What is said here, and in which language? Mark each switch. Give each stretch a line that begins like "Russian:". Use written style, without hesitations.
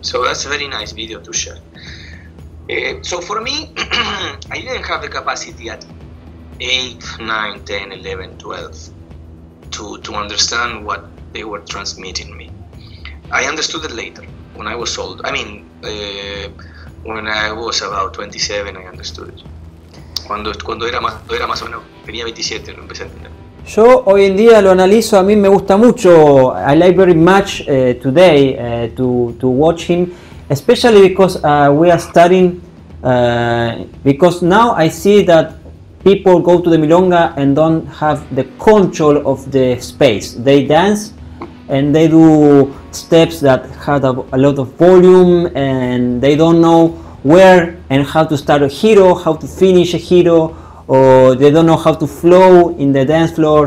English: So that's a very nice video to share. So for me, I didn't have the capacity at 8, 9, 10, 11, 12 to understand what they were transmitting me. I understood it later, when I was old. I mean, when I was about 27, I understood it.
Spanish: Cuando era más o menos, tenía 27, lo empecé a entender. Yo hoy en día lo analizo, a mí me gusta mucho.
English: I like very much today to watch him, especially because we are studying, because now I see that people go to the milonga and don't have the control of the space. They dance and they do steps that had a lot of volume, and they don't know where and how to start a giro, how to finish a giro, or they don't know how to flow in the dance floor.